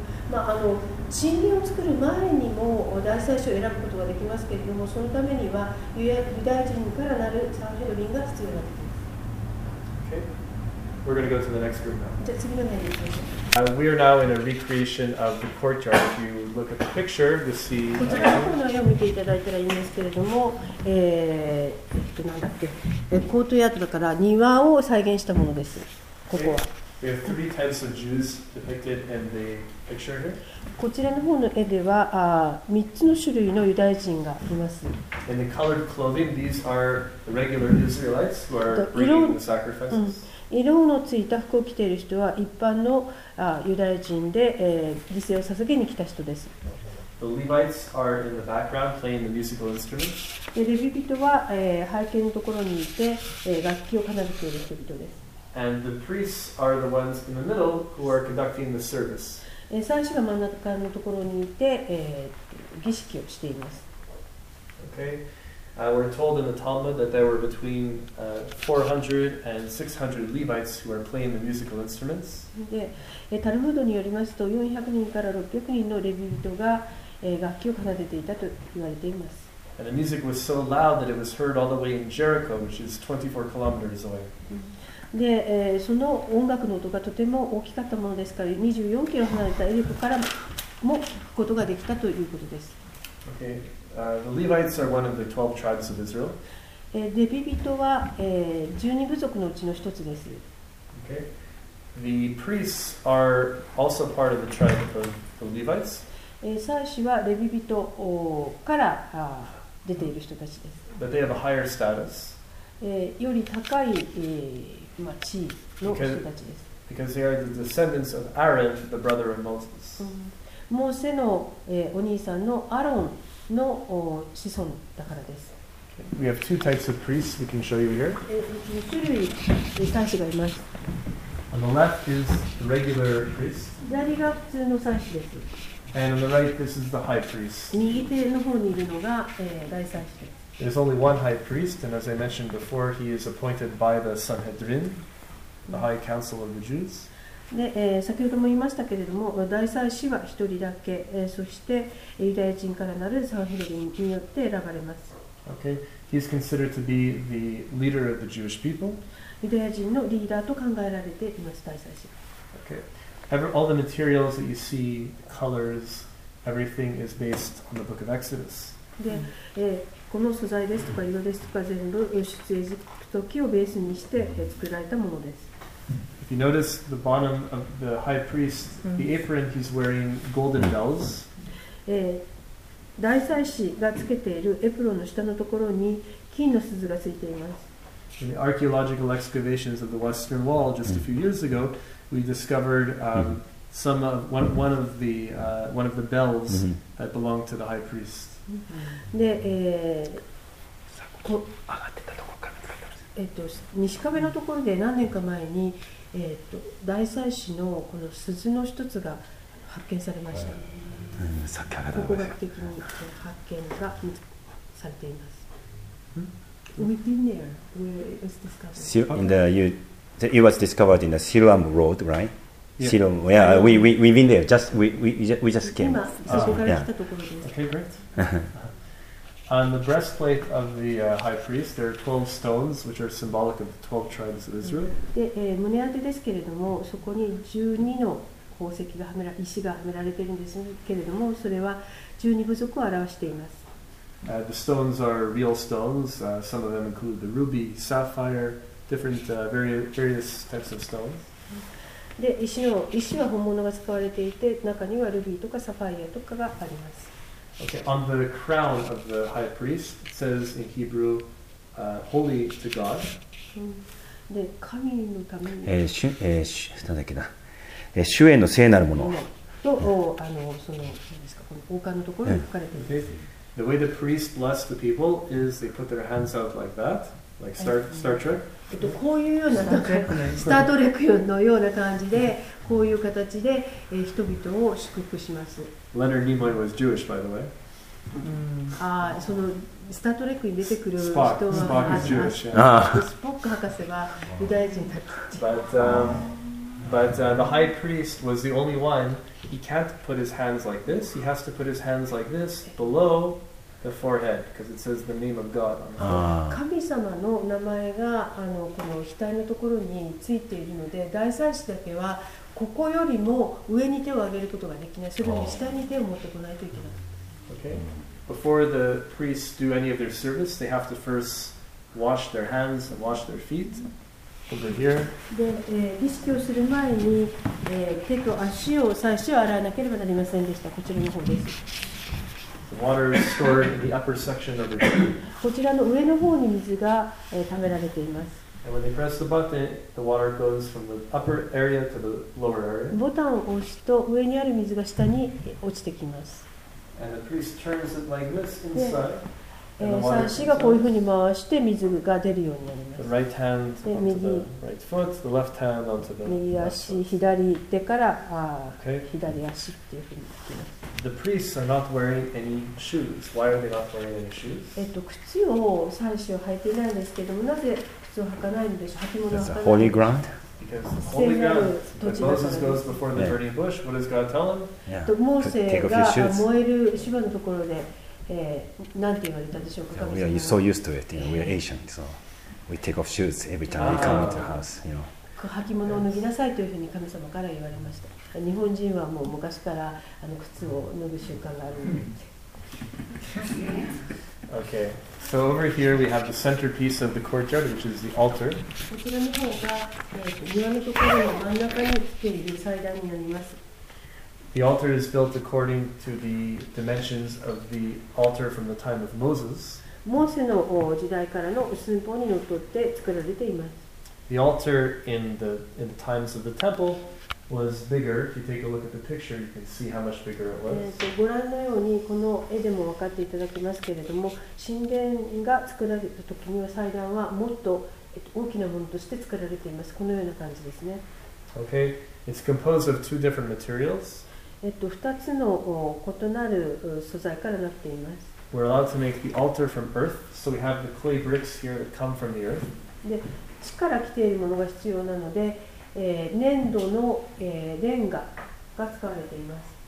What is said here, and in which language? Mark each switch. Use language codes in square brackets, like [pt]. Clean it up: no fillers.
[ja] まあ、神殿を作る前にも大祭司を選ぶことができますけれども、そのためにはユダヤ人からなるサンヘドリンが必要になってきます。 [en] We're going to go to the next room now. We are now in a recreation of the courtyard. If you look at the picture, you see. [ja] こちらの方の絵を見ていただいたらいいんですけれども、なんだっけ、コートヤードだから庭を再現したものです。ここは。 [en] We have three types of Jews depicted in the picture here. [ja] こちらの方の絵では、三つの種類のユダヤ人がいます。 [en] In the colored clothing, these are the regular Israelites who are bringing the sacrifices. [ja] 色のついた服を着ている人は一般のユダヤ人で、犠牲を捧げに来た人です。 [en] The Levites are in the background playing the musical instruments. [ja] で、レビ人は、背景のところにいて、楽器を奏でている人々です。 [en] And the priests are the ones in the middle who are conducting the service. [ja] 祭司が真ん中のところにいて、儀式をしています。 [en] Okay. We're told in the Talmud that there were between 400 and 600 Levites who are playing the musical instruments. [ja] タルムドによりますと、400人から600人のレビ人が楽器を奏でていたと言われています。 [en] And the music was so loud that it was heard all the way in Jericho, which is 24 kilometers away. [ja] で、その音楽の音がとても大きかったものですから、24キロ離れたエリコからも聞くことができたということです。 [en] Okay. The Levites are one of the 12 tribes of Israel. [ja] レビ人は12部族のうちの一つです。 [en] Okay. The priests are also part of the tribe of the Levites. [ja] 祭司はレビ人から出ている人たちです。 [en] But they have a higher status. [ja] より高い地位の人たちです。 [en] Because they are the descendants of Aaron, the brother of Moses. [ja] モーセのお兄さんのアロンの子孫だからです。 [en] We have two types of priests we can show you here. [ja] 2種類の祭司がいます。 [en] On the left is the regular priest. [ja] 左が普通の祭司です。 [en] And on the right, this is the high priest. [ja] 右手の方にいるのが大祭司です。 [en] There's only one high priest, and as I mentioned before, he is appointed by the Sanhedrin, the high council of the Jews. [ja] で先ほども言いましたけれども、大祭司は一人だけ、そしてユダヤ人からなるサンヘドリンによって選ばれます。 [en] Okay. He is considered to be the leader of the Jewish people. [ja] ユダヤ人のリーダーと考えられています、大祭司。 [en] Okay. All the materials that you see, colors, everything is based on the Book of Exodus. [ja] で、この素材ですとか色ですとか全部出エジプト記をベースにして作られたものです。 [en] You notice the bottom of the high priest, the apron he's wearing golden bells. [ja] 大祭司がつけているエプロンの下のところに金の鈴がついています。 [en] In the archaeological excavations of the Western Wall just a few years ago, we discovered one of the bells that belonged to the high priest. [ja] で、上がってたところから。西壁のところで何年か前に。大祭司のこの鈴の一つが発見されました。さっき上がった。考古学的に発見がされています。 [en] Within there, where it was discovered. It was discovered in the Siloam Road, right? Siloam. Yeah. Yeah, we've been there. We just came. [ja] 今そこから来たところです。 [en] Okay, great. On the breastplate of the high priest, there are 12 stones, which are symbolic of the 12 tribes of Israel. [ja] で、胸当てですけれども、そこに12の宝石がはめら、石がはめられているんですけれども、それは12部族を表しています。 [en] The stones are real stones. Some of them include the ruby, sapphire, different various types of stones. [ja] で、石は本物が使われていて、中にはルビーとかサファイアとかがあります。 [en] Okay, on the crown of the high priest, it says in Hebrew, "Holy to God." [ja] で、神のために。なんだっけな。主への聖なるもの。と、その、何ですか、この王冠のところに書かれています。 [en] Okay. The way the priest blessed the people is they put their hands out like that, like Star Trek. [ja] こういうような、なんか、スタートレックのような感じで、こういう形で、人々を祝福します。 [en] Leonard Nimoy was Jewish, by the way. Ah, so the [ja] Star Trek に出てくる人は、 [en] Spock is Jewish. [ja] Spock 博士はユダヤ人だった。 [en] But the high priest was the only one. He can't put his hands like this. He has to put his hands like this below the forehead because it says the name of God on the forehead. [ja] 神様の名前がこの額のところについているので、大祭司だけはここよりも上に手を上げることができない。それより下に手を持ってこないといけない。 [en] Okay. Before the priests do any of their service, they have to first wash their hands and wash their feet. Over here. [ja] で、儀式をする前に、手と足を最初洗わなければなりませんでした。こちらの方です。 [en] The water is stored in the upper section of the tree. [ja] こちらの上の方に水が、溜められています。 [en] And when they press the button, the water goes from the upper area to the lower area. [ja] ボタンを押すと上にある水が下に落ちてきます。 [en] And the priest turns it like this inside. [ja] で、祭司がこういうふうに回して水が出るようになります。 [en] The right hand onto the right foot, the left hand onto the left foot. [ja] 右足、左手から、左足っていうふうに。 [en] The priests are not wearing any shoes. Why are they not wearing any shoes? [ja] 靴を祭司は履いていないんですけども、なぜ靴を履かないんでしょう？履物を履かない。 [en] It's a holy ground. Because the holy ground. But Moses goes before the burning bush. What does God tell him? Yeah. [ja] モーセが燃える芝のところで、なんて言われたでしょうか？ [en] We are so used to it. You know, we are Asian, so we take off shoes every time we come into the house. You know. [ja] 履物を脱ぎなさいというふうに神様から言われました。日本人はもう昔からあの靴を脱ぐ習慣があるので。 [en] Okay, so over here we have the centerpiece of the courtyard, which is the altar. [ja] こちらの方が、庭のところの真ん中に立っている祭壇になります。 [en] The altar is built according to the dimensions of the altar from the time of Moses. [ja] モーセの時代からの寸法にのっとって作られています。 [en] The altar in the times of the temple was bigger. If you take a look at the picture, you can see how much bigger it was. [ja] ご覧のようにこの絵でも分かっていただきますけれども、神殿が作られた時には祭壇はもっと大きなものとして作られています。このような感じですね。 [en] Okay, it's composed of two different materials. [ja] 二つの異なる素材からなっています。 [en] We're allowed to make the altar from earth, so we have the clay bricks here that come from the earth. [ja] で地から来ているものが必要なので、粘土の、レンガが使われています。